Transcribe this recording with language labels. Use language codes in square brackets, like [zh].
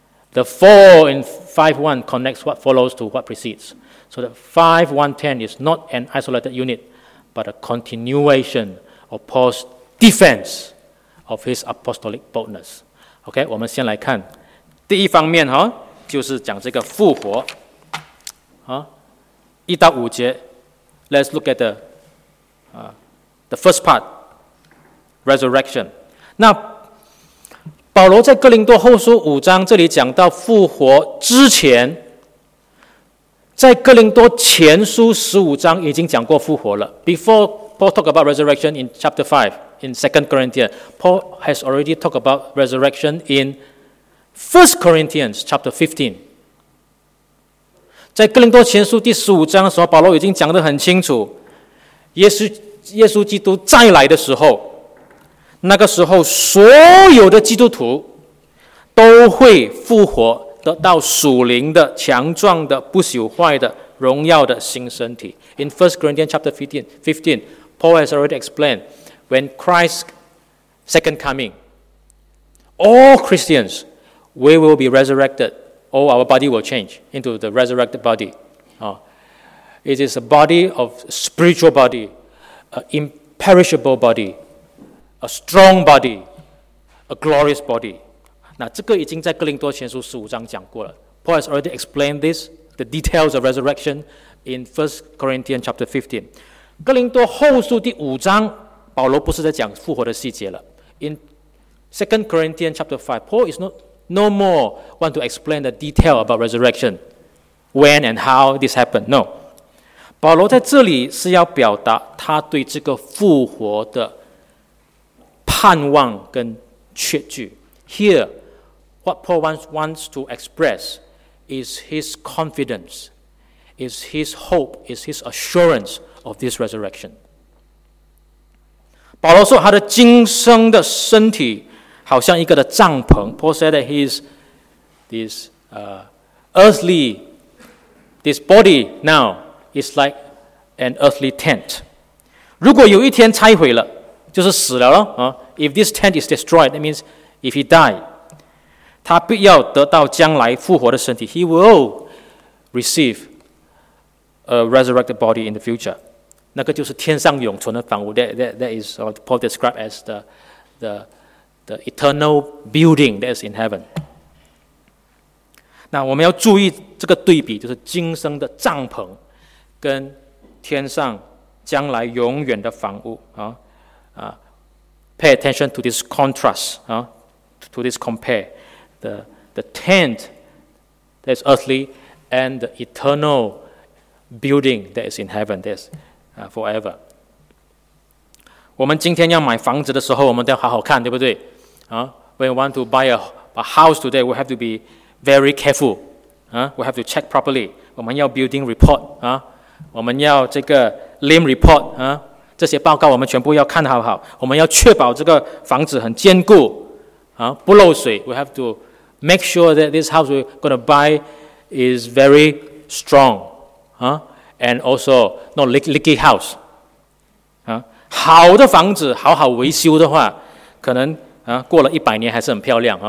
[en] The 4 in 5.1 connects what follows to what precedes So that 5.1.10 is not an isolated unit But a continuation of Paul's defense of his apostolic boldness OK, [zh] 我们先来看第一方面、啊、就是讲这个复活、啊、1到5节 [en] Let's look at the first part, resurrection. [zh] 那保罗在哥林多后书五章这里讲到复活之前，在哥林多前书十五章已经讲过复活了。 [en] Before Paul talked about resurrection in chapter 5, in 2 Corinthians, Paul has already talked about resurrection in 1 Corinthians chapter 15. [zh] 在哥林多前书第十五章的时候保罗已经讲得很清楚耶稣基督再来的时候那个时候所有的基督徒都会复活得到属灵的强壮的不朽坏的荣耀的新身体 [en] In 1 Corinthians chapter 15 Paul has already explained When Christ's second coming All Christians We will be resurrectedall our body will change into the resurrected body.、It is a body of spiritual body, an imperishable body, a strong body, a glorious body. [zh] 那这个已经在哥林多前书十五章讲过了。 [en] Paul has already explained this, the details of resurrection in 1 Corinthians chapter 15. [zh] 哥林多后书第五章保罗不是在讲复活的细节了。 [en] In 2 Corinthians chapter 5, Paul is no more want to explain the detail about resurrection, when and how this happened. No. [zh] 保罗在这里是要表达他对这个复活的盼望跟确据。 [en] Here, what Paul wants to express is his confidence, is his hope, is his assurance of this resurrection. [zh] 保罗说他的今生的身体好像一个的帐篷。 [en] Paul said that his this earthly this body now is like an earthly tent. [zh] 如果有一天拆毁了，就是死了咯。 [en] If this tent is destroyed, that means if he died, [zh] 他必要得到将来复活的身体。 [en] He will receive a resurrected body in the future. [zh] 那个就是天上永存的房屋 [en] that is what Paul described as the eternal building that is in heaven. [zh] 那我们要注意这个对比，就是今生的帐篷跟天上将来永远的房屋。 [en] Pay attention to this contrast, to this compare. The tent that is earthly and the eternal building that is in heaven, that'sforever. [zh] 我们今天要买房子的时候，我们都要好好看，对不对？ [en] When we want to buy a house today, we have to be very careful. We have to check properly. 我们要 building report. [zh] 我们要这个 [en] lim report. [zh] 这些报告我们全部要看好好。我们要确保这个房子很坚固，不漏水。 [en] We have to make sure that this house we're going to buy is very strong. And also, not leaky house. [zh] 好的房子好好维修的话，可能过了一百年还是很漂亮。